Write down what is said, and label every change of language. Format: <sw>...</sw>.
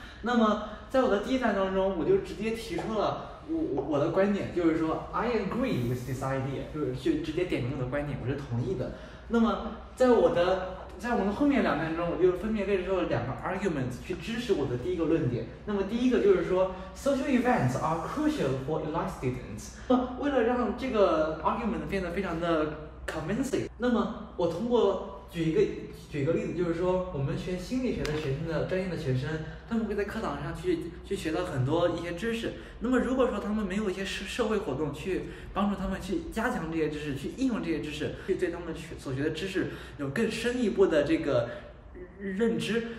<zh>那么在我的第一段当中，我就直接提出了我的观点，就是说</zh> <en>I agree with this idea，</en> <zh>就直接点名我的观点，我是同意的。那么在我们的后面两分钟，我就分别列出了两个 arguments 去支持我的第一个论点。那么第一个就是说</zh> <en>social events are crucial for elite students。</en> <zh>为了让这个 argument 变得非常的 convincing， 那么我通过举一个例子，就是说我们学心理学的学生的专业的学生，他们会在课堂上去学到很多一些知识。那么如果说他们没有一些社会活动去帮助他们去加强这些知识，去应用这些知识，去对他们所学的知识有更深一步的这个认知。</zh>